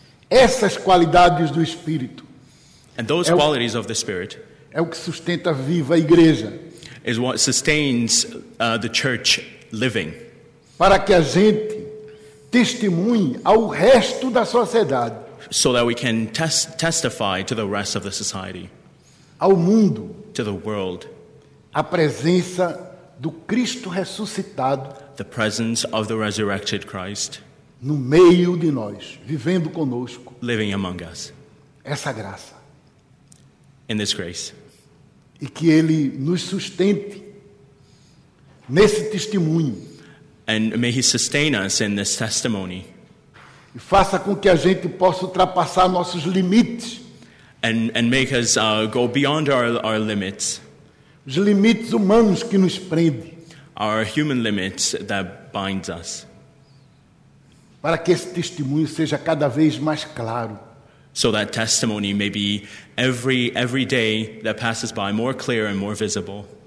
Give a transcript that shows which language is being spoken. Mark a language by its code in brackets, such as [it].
[pt] Essas qualidades do Espírito. [en] And those qualities of the Spirit. [pt] É o que sustenta viva a igreja. [en] Is what sustains the church living. [pt] Para que a gente testemunhe ao resto da sociedade. [en] So that we can testify to the rest of the society. [pt] Ao mundo. [en] To the world. [pt] A presença do Cristo ressuscitado. [en] The presence of the resurrected Christ. [pt] No meio de nós, vivendo conosco. [en] Living among us. [pt] Essa graça. [en] In this grace. [pt] E que Ele nos sustente nesse testemunho. [en] And may He sustain us in this testimony. [pt] E faça com que a gente possa ultrapassar nossos limites. [en] And make us go beyond our limits. [pt] Os limites humanos que nos prendem. [en] Our human limits that binds us. [pt] Para que esse testemunho seja cada vez mais claro. [en] So that testimony may be every day that passes by more clear and more visible.